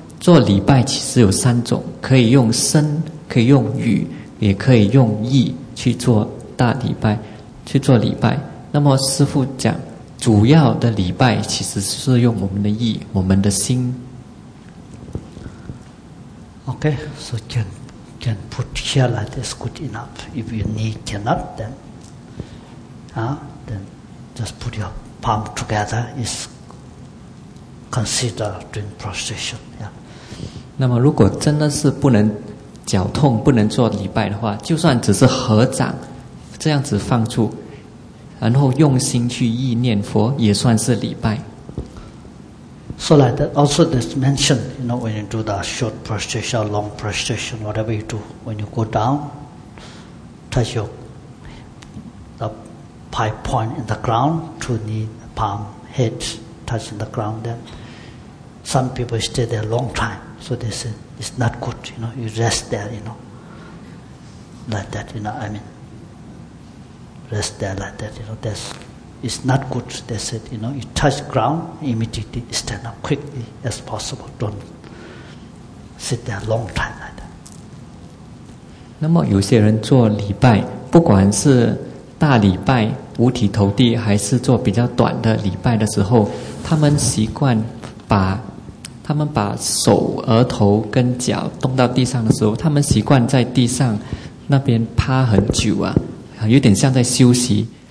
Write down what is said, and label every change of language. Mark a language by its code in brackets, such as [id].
[zh] 做礼拜其实有三种，可以用身，可以用语，也可以用意去做大礼拜，去做礼拜。那么师父讲，主要的礼拜其实是用我们的意，我们的心。 [en] OK, so can put here like this good enough. If you need cannot, then just put your palm together. It's considered doing prostration. Yeah. [zh] 那么如果真的是不能脚痛不能做礼拜的话，就算只是合掌这样子放出，然后用心去意念佛，也算是礼拜。 [en] So like that, also this mentioned, you know, when you do the short prostration or long prostration, whatever you do, when you go down, touch your, the pie point in the ground, two knee, palm, head, touching the ground, then some people stay there a long time. So they say, it's not good, you know, you rest there, you know, like that, you know, I mean, rest there like that, you know, that's... It's not good, they said, you know, you touch ground, immediately stand up quickly as possible. Don't sit there a long time like that. [zh] 那么有些人做礼拜，不管是大礼拜、五体投地，还是做比较短的礼拜的时候，他们习惯把，他们把手、额头跟脚动到地上的时候，他们习惯在地上那边趴很久啊，有点像在休息。